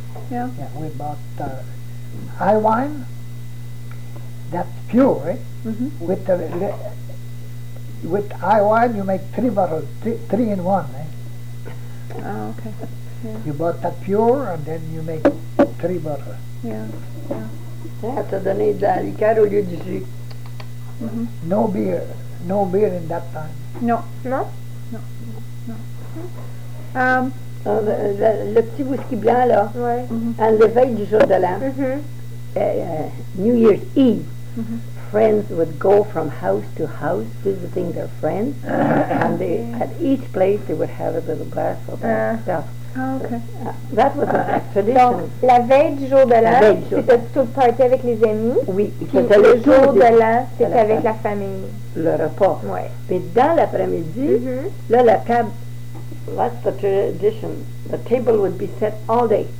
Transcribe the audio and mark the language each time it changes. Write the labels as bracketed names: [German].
[English] Yeah, we bought... high wine, that's pure, right? With high wine, you make three bottles, three in one, eh? Oh, okay. Yeah. You bought that pure, and then you make three bottles. Yeah, [French] ça donne de la liqueur au lieu du jus. [English] No beer in that time. No. [French] Le petit whisky blanc, là, ouais. And l'éveil du jour de l'an. [English] New Year's Eve, friends would go from house to house visiting their friends, and they at each place they would have a little glass of stuff. That was a tradition. [French] Donc, la veille du jour de l'an, c'était tout le party avec les amis. Oui, puis le jour de l'an, c'était avec la famille. Le repas. Ouais. Mais dans l'après-midi, là, la table, [English] that's the tradition. The table would be set all day.